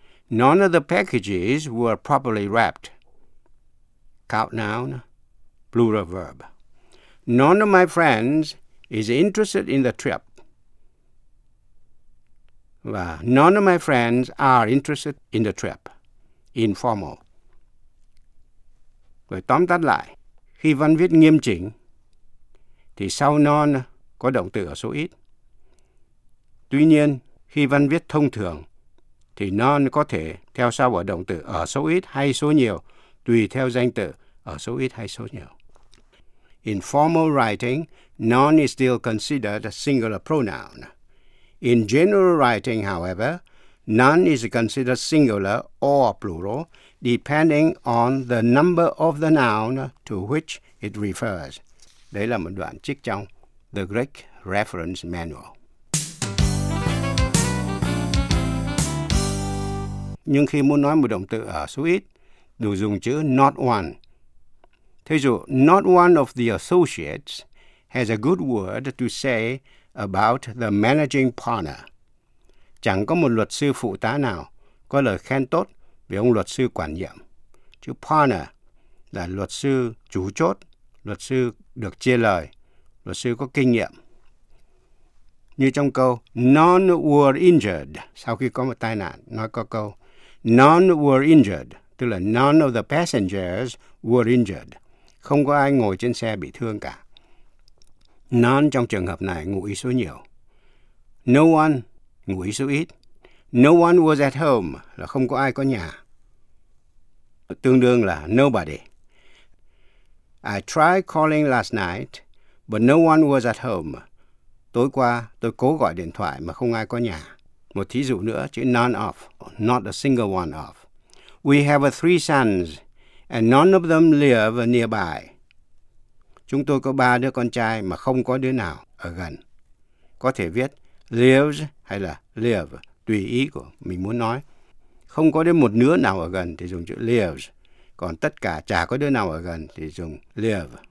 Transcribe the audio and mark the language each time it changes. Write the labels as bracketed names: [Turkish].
[English] None of the packages were properly wrapped. Count noun. Plural verb. None of my friends is interested in the trip. [Vietnamese] Và [English] none of my friends are interested in the trip. Informal. [Vietnamese] Rồi tóm tắt lại, khi văn viết nghiêm chỉnh, thì sau none có động từ ở số ít. Tuy nhiên, khi văn viết thông thường, thì none có thể theo sau ở động từ ở số ít hay số nhiều, tùy theo danh từ ở số ít hay số nhiều. [English] In formal writing, none is still considered a singular pronoun. In general writing, however, none is considered singular or plural, depending on the number of the noun to which it refers. [Vietnamese] Đây là một đoạn trích trong The Greek Reference Manual. Nhưng khi muốn nói một động từ ở số ít, đủ dùng chữ not one. Thế dụ, [English] not one of the associates has a good word to say about the managing partner. [Vietnamese] Chẳng có một luật sư phụ tá nào có lời khen tốt về ông luật sư quản nhiệm. Chữ partner là luật sư chủ chốt, luật sư được chia lời, luật sư có kinh nghiệm. Như trong câu, [English] none were injured, [Vietnamese] sau khi có một tai nạn, nói có câu, none were injured, tức là [English] none of the passengers were injured, [Vietnamese] không có ai ngồi trên xe bị thương cả. None trong trường hợp này ngụ ý số nhiều. No one, ngụ ý số ít. [English] No one was at home, [Vietnamese] là không có ai có nhà. Tương đương là nobody. [English] I tried calling last night, but no one was at home. [Vietnamese] Tối qua, tôi cố gọi điện thoại mà không ai có nhà. Một thí dụ nữa, chữ none of, [English] not a single one of. We have three sons, and none of them live nearby. [Vietnamese] Chúng tôi có ba đứa con trai mà không có đứa nào ở gần. Có thể viết lives hay là live, tùy ý của mình muốn nói. Không có đứa một nửa nào ở gần thì dùng chữ lives. Còn tất cả chả có đứa nào ở gần thì dùng live.